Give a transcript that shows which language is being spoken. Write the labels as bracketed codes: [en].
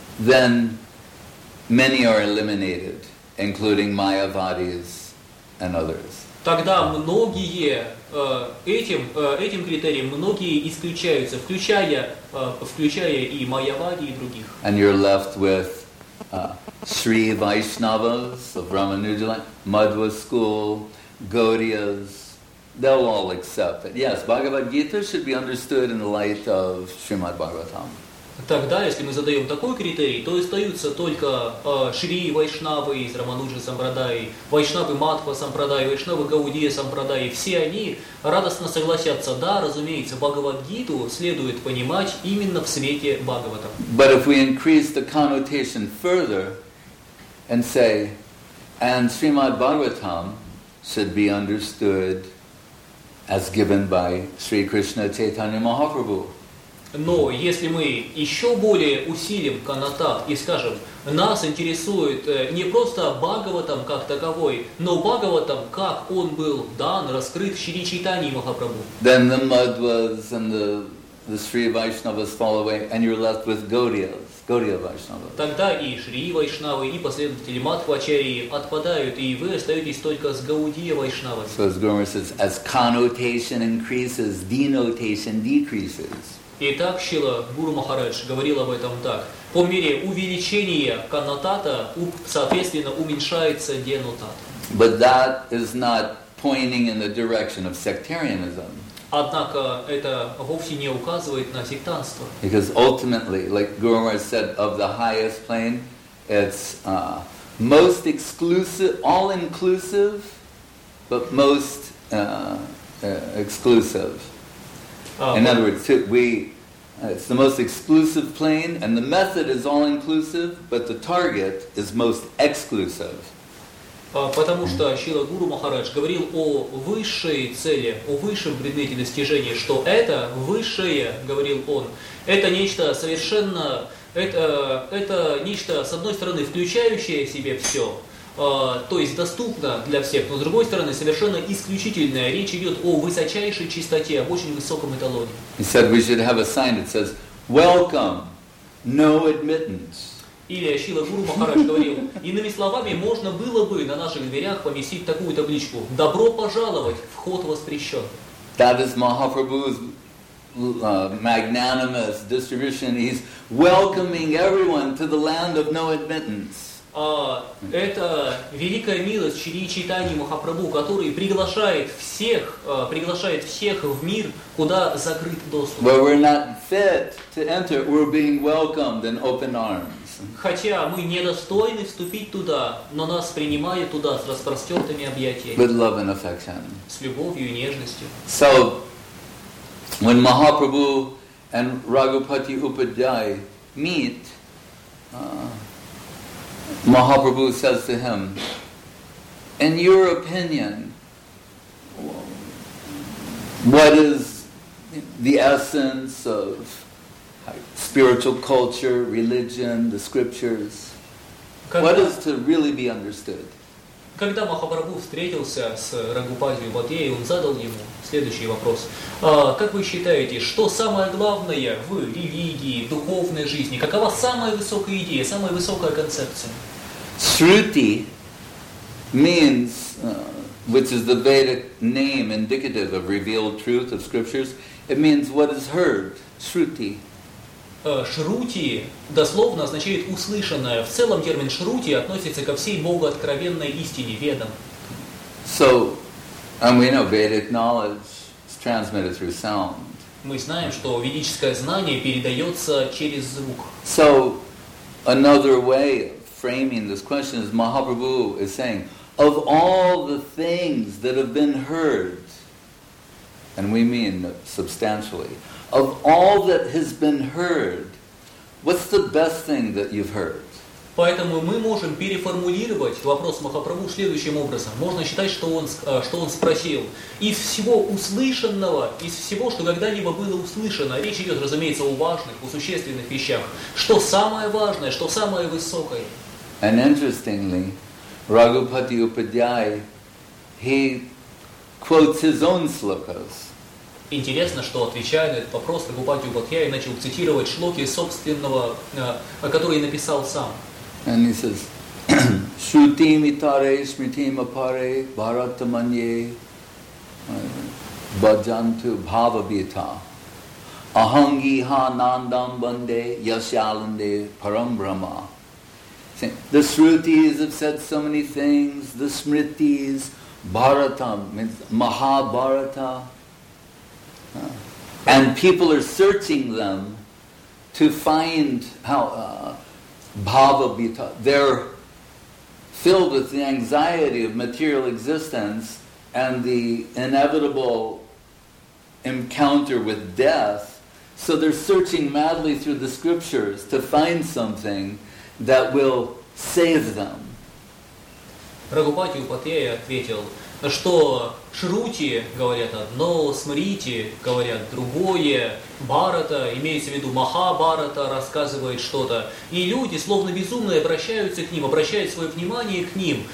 [en] Then many are eliminated, including Mayavadis and others. [ru] Тогда многие этим критерием многие исключаются, включая и майявади и других. [en] And you're left with Sri Vaishnavas of Ramanujala, Madhva school, Gaudiyas. They'll all accept it. Yes, Bhagavad Gita should be understood in the light of Srimad Bhagavatam. [ru] Тогда, если мы задаем такой критерий, то остаются только Шри Вайшнавы из Рамануджа Сампрадаи, Вайшнавы Матва Сампрадаи, Вайшнавы Гаудия Сампрадаи. Все они радостно согласятся. Да, разумеется, Бхагавад-гиту следует понимать именно в свете Бхагавата. [en] But if we increase the connotation further and say, and Srimad Bhagavatam should be understood as given by Sri Krishna Chaitanya Mahaprabhu. [ru] Но если мы еще более усилим канатат и скажем, нас интересует не просто Бхагаватам как таковой, но Бхагаватам, как он был дан, раскрыт в Шри Чайтании Махапрабху. [en] Then the Madhvas and the Sri Vaishnavas fall away, and you're left with Gaudiyas, Gaudiya Vaishnavas. [ru] Тогда и Шри Вайшнавы, и последователи Мадхвачарьи отпадают, и вы остаетесь только с Гаудия Вайшнавы. [en] So as Guru says, as connotation increases, denotation decreases. [ru] Итак, Шрила Гуру Махарадж говорил об этом так. По мере увеличения коннотата, соответственно, уменьшается денотат. [en] But that is not pointing in the direction of sectarianism. [ru] Однако это вовсе не указывает на сектантство. [en] Because ultimately, like Guru Махарадж said, of the highest plane, it's most exclusive, all-inclusive, but most exclusive. In other words, it's the most exclusive plane, and the method is all-inclusive, but the target is most exclusive. [ru] Потому что Шрила Гуру Махарадж говорил о высшей цели, о высшем предмете достижения, что это высшее, говорил он, это нечто совершенно, это нечто, с одной стороны, включающее в себе все, то есть доступна для всех, но с другой стороны совершенно исключительная. Речь идет о высочайшей чистоте, об очень высоком эталоне. [en] He said we should have a sign that says, "Welcome, no admittance." [ru] Или Ашила Гуру Махарадж говорил, иными словами, можно было бы на наших дверях повесить такую табличку: «Добро пожаловать, вход воспрещен». [en] That is Mahaprabhu's magnanimous distribution. He's welcoming everyone to the land of no admittance. [ru] Это великая милость Шри Чайтаньи Махапрабху, который приглашает всех в мир, куда закрыт доступ. [en] But we're not fit to enter. We're being welcomed in open arms. [ru] Хотя мы недостойны вступить туда, но нас принимают туда с распростертыми объятиями. [en] With love and affection. [ru] С любовью и нежностью. [en] So, when Mahaprabhu and Raghupati Upadhyay meet, Mahaprabhu says to him, "In your opinion, what is the essence of spiritual culture, religion, the scriptures. What is to really be understood?" [ru] Когда Махапрабху встретился с Рагхупати Упадхьяй, он задал ему следующий вопрос: как вы считаете, что самое главное в религии, в духовной жизни? Какова самая высокая идея, самая высокая концепция? [en] Shruti means, which is the Vedic name indicative of revealed truth of scriptures, it means what is heard, Shruti. [ru] Шрути дословно означает услышанное. В целом термин шрути относится ко всей Богу откровенной истине, ведам. [en] So, and we know Vedic knowledge is transmitted through sound. [ru] Мы знаем, что ведическое знание передается через звук. [en] So, another way of framing this question is Mahaprabhu is saying, of all the things that have been heard, and we mean substantially, of all that has been heard, what's the best thing that you've heard? [ru] Поэтому мы можем переформулировать вопрос Махапрабху следующим образом. Можно считать, что он спросил: из всего услышанного, из всего, что когда-либо было услышано, речь идет, разумеется, о важных, о существенных вещах, что самое важное, что самое высокое? [en] And interestingly, Raghupati Upadhyay, he quotes his own slokas. [ru] Интересно, что, отвечая на этот вопрос, Рагхупати Упадхьяй начал цитировать шлоки собственного, который написал сам. [en] And he says, [sa] Shruti mitare smriti mapare bharatamanye bhajantu bhavabhita ahangiha nandam bande yasyalande param brahma. [en] The Shrutis have said so many things, the Smritis, Bharatam means Mahabharata. And people are searching them to find how bhava-bhita. They're filled with the anxiety of material existence and the inevitable encounter with death. So they're searching madly through the scriptures to find something that will save them. [ru] Raghupati Upadhyay ответил, что Шрути говорят одно, Смрити говорят другое, Бхарата, имеется в виду Махабхарата, рассказывает что-то. И люди, словно безумные, обращаются к ним, обращают свое внимание к ним.